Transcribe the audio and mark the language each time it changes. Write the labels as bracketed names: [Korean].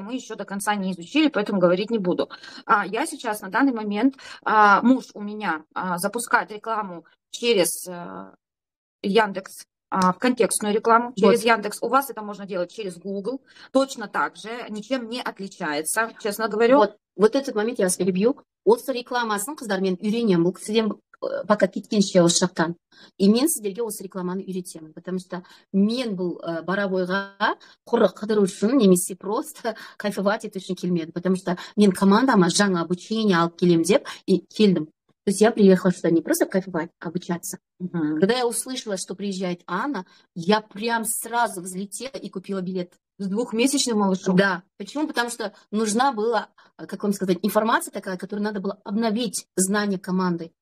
[Russian] Мы еще до конца не изучили, поэтому говорить не буду. А я сейчас на данный момент, муж у меня запускает рекламу через Яндекс, в контекстную рекламу через Яндекс. У вас это можно делать через Google. Точно так же. Ничем не отличается, честно говорю. Вот этот момент я вас перебью. [Kazakh] Осы рекламасын, қыздар, мен үйренем. Бұл кісіден пока кеткенше осы жақтан. И мен сіздерге осы рекламаны үйретемін, [Russian] потому что [Kazakh] мен бұл бара бойға құры қыдыру үшін, немесе [Russian] просто кайфовать [Kazakh] ету үшін келмедім, потому что мен командама жаңа обучение алып келем деп и келдім. [Russian] То есть я приехала сюда не просто кайфовать, а обучаться. Когда я услышала, что приезжает Анна, я прям сразу взлетела и купила билет. С двухмесячным малышом? Да. Почему? Потому что нужна была, как вам сказать, информация такая, которую надо было обновить знания команды.